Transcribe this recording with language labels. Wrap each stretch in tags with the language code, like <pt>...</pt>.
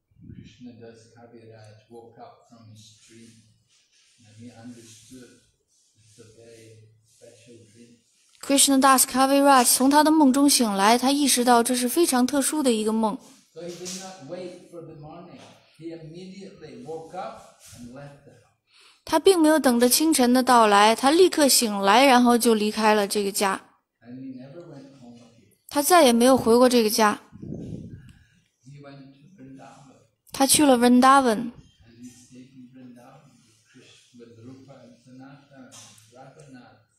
<en>Krishna Das Kaviraj woke up from his dream and he understood it's a very special dream.</en> <zh>Krishna Das Kaviraj 从他的梦中醒来，他意识到这是非常特殊的一个梦。</zh> <en>So he did not wait for the morning. He immediately woke up and left the house.</en> <zh>他并没有等着清晨的到来，他立刻醒来，然后就离开了这个家。</zh> <en>And he never went home again.</en> <zh>他再也没有回过这个家。</zh> <en>He went to Vrindavan.</en> <zh>他去了 Vrindavan.</zh> <en>And he stayed in Vrindavan with Rupa and Sanatan Raghunath.</en>